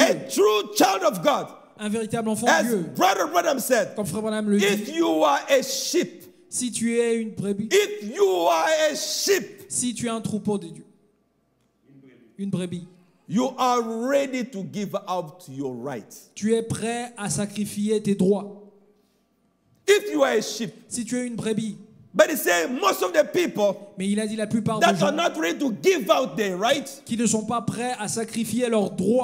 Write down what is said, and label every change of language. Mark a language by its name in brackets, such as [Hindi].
[English] a true child of God, [French] un véritable enfant de Dieu. [English] Brother Branham said, [French] comme frère Branham le dit, [English] if you are a sheep, [French] si tu es une brebis, [English] if you are a sheep, [French] si tu es un troupeau de Dieu, une brebis, [English] you are ready to give up your rights. [French] Tu es prêt à sacrifier tes droits. [English] If you are a sheep, [French] si tu es une brebis, [English] but he said most of the people, [French] mais il a dit la plupart [English] that [French] des gens [English] are not ready to give out their rights, [French] qui ne sont pas prêts à sacrifier leurs droits.